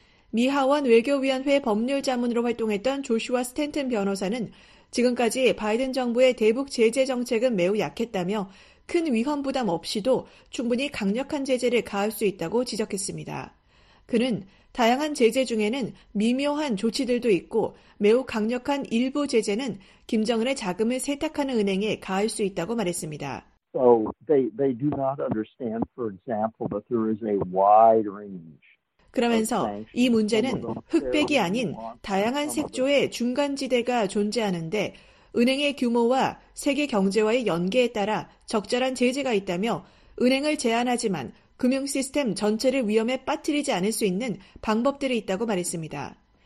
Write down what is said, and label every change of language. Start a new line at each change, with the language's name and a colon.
Korean: 미 하원 외교위원회 법률자문으로 활동했던 조슈아 스탠튼 변호사는 지금까지 바이든 정부의 대북 제재 정책은 매우 약했다며 큰 위험 부담 없이도 충분히 강력한 제재를 가할 수 있다고 지적했습니다. 그는 다양한 제재 중에는 미묘한 조치들도 있고 매우 강력한 일부 제재는 김정은의 자금을 세탁하는 은행에 가할 수 있다고 말했습니다.
English: So they do not understand, for example, that there is a wide range.
Korean: 그러면서 이 문제는 흑백이 아닌 다양한 색조의 중간지대가 존재하는데 은행의 규모와 세계 경제와의 연계에 따라 적절한 제재가 있다며 은행을 제한하지만 금융시스템 전체를 위험에 빠뜨리지 않을 수 있는 방법들이 있다고 말했습니다.